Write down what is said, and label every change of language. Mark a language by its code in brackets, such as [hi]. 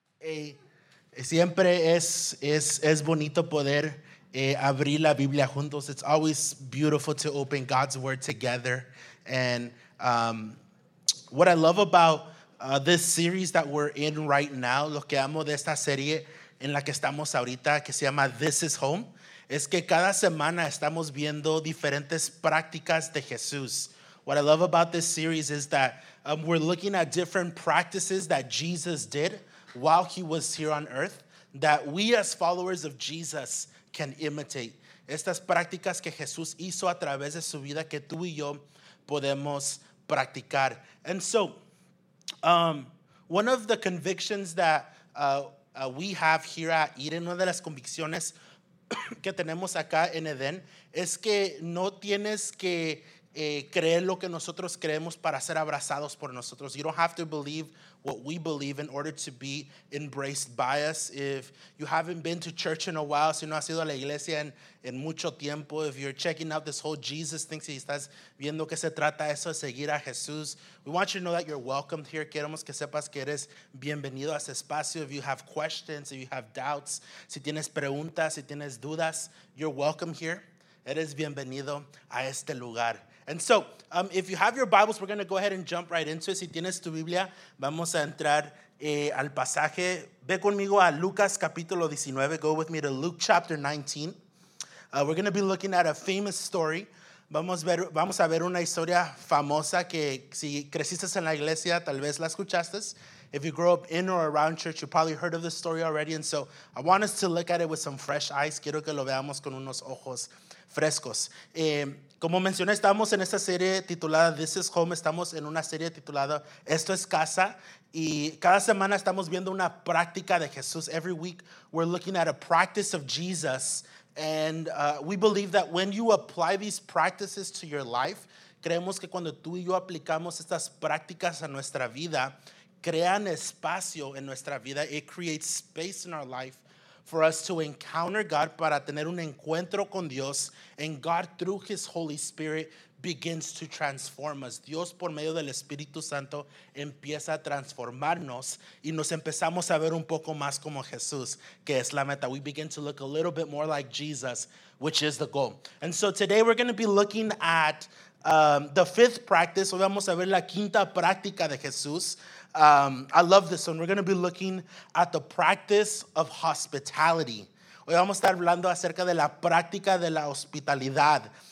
[es] Hey, siempre es bonito poder abrir la Biblia juntos. [en] It's always beautiful to open God's Word together. And what I love about this series that we're in right now, [es] lo que amo de esta serie en la que estamos ahorita, que se llama This is Home, es que cada semana estamos viendo diferentes prácticas de Jesús. [en] What I love about this series is that we're looking at different practices that Jesus did while he was here on earth that we as followers of Jesus can imitate. [es] Estas prácticas que Jesús hizo a través de su vida que tú y yo podemos practicar. [en] And so, one of the convictions that we have here at Eden, [es] una de las convicciones que tenemos acá en Edén, es que no tienes que creer lo que nosotros creemos para ser abrazados por nosotros. [en] You don't have to believe what we believe in order to be embraced by us. If you haven't been to church in a while, [es] si no has ido a la iglesia en mucho tiempo, [en] if you're checking out this whole Jesus thing, [es] si estás viendo que se trata eso de seguir a Jesús, [en] we want you to know that you're welcomed here. [es] Queremos que sepas que eres bienvenido a este espacio. [en] If you have questions, if you have doubts, [es] si tienes preguntas, si tienes dudas, [en] you're welcome here. [es] Eres bienvenido a este lugar. [en] And so, if you have your Bibles, we're going to go ahead and jump right into it. [es] Si tienes tu Biblia, vamos a entrar al pasaje. Ve conmigo a Lucas capítulo 19. [en] Go with me to Luke chapter 19. We're going to be looking at a famous story. [es] Vamos a ver una historia famosa que si creciste en la iglesia, tal vez la escuchaste. [en] If you grew up in or around church, you probably heard of the story already. And so, I want us to look at it with some fresh eyes. [es] Quiero que lo veamos con unos ojos frescos. Como mencioné, estamos en esta serie titulada This is Home. Estamos en una serie titulada Esto es Casa. Y cada semana estamos viendo una práctica de Jesús. [en] Every week we're looking at a practice of Jesus. And we believe that when you apply these practices to your life, [es] creemos que cuando tú y yo aplicamos estas prácticas a nuestra vida, crean espacio en nuestra vida. [en] It creates space in our life for us to encounter God, [es] para tener un encuentro con Dios, [en] and God through His Holy Spirit begins to transform us. [es] Dios por medio del Espíritu Santo empieza a transformarnos y nos empezamos a ver un poco más como Jesús, que es la meta. [en] We begin to look a little bit more like Jesus, which is the goal. And so today we're going to be looking at the fifth practice. [es] Hoy vamos a ver la quinta práctica de Jesús. [en] I love this one. We're going to be looking at the practice of hospitality. [es] Hoy vamos a estar hablando acerca de la práctica de la hospitalidad.